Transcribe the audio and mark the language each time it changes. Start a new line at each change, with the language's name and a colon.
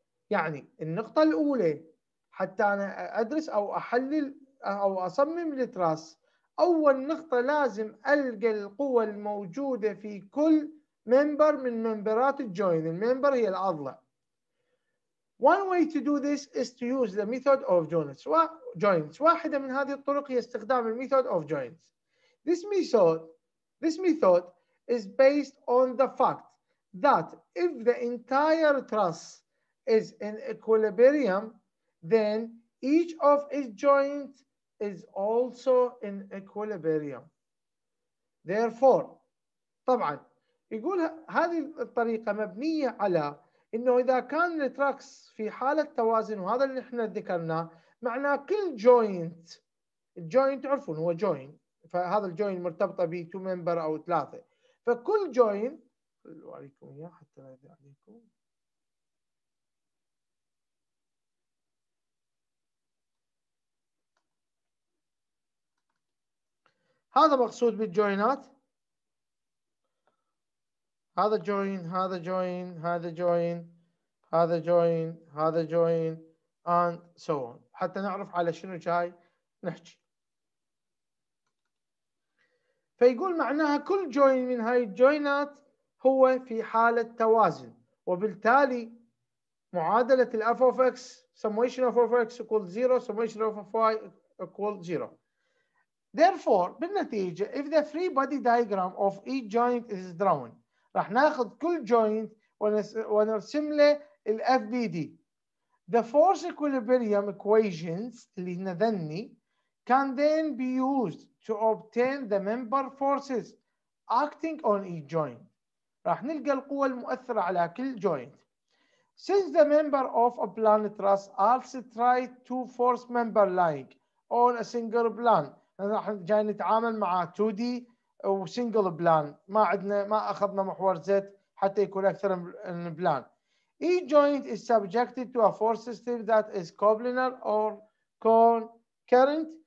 Arabic: يعني النقطة الأولى حتى أنا أدرس أو أحلل أو أصمم التراس، أول نقطة لازم ألقى القوة الموجودة في كل member من ممبرات الجوين. الممبر هي الأضلع.
English: One way to do this is to use the method of joints.
Arabic: واحدة من هذه الطرق هي استخدام الميثود of joints.
English: This method is based on the fact that if the entire truss is in equilibrium, then each of its joints is also in equilibrium. Therefore, طبعا
Arabic: يقول هذه الطريقة مبنية على إنه إذا كان التراكس في حالة توازن، وهذا اللي إحنا ذكرناه، معناه كل جوينت، الجوينت تعرفون هو جوين، فهذا الجوين مرتبطة ب تو ممبر أو ثلاثة، فكل جوين أوريكم إياه حتى لا يضيع عليكم. هذا مقصود بالجوينات، هذا جوين، هذا جوين، هذا جوين، هذا جوين، هذا جوين،
English: and so on،
Arabic: حتى نعرف على شنو جاي نحكي. فيقول معناها كل جوين من هاي الجوينات هو في حالة توازن، وبالتالي معادلة الـ
English: f of x summation of f x equal 0
Arabic: summation of f y equal 0.
English: Therefore,
Arabic: بالنتيجة
English: if the free body diagram of each joint is drawn،
Arabic: راح ناخذ كل
English: joint
Arabic: ونرسم له الـ
English: FBD. The force equilibrium equations
Arabic: اللي نذني
English: can then be used to obtain the member forces acting on each joint.
Arabic: راح نلقى القوة المؤثرة على كل joint.
English: Since the member of a planned truss also try two force member lying on a single plan،
Arabic: راح جاي نتعامل مع 2D وسنجل بلان، ما عندنا، ما اخذنا محور زيت حتى يكون اكثر من بلان.
English: Each joint is subjected to a force system that is coplanar or concurrent.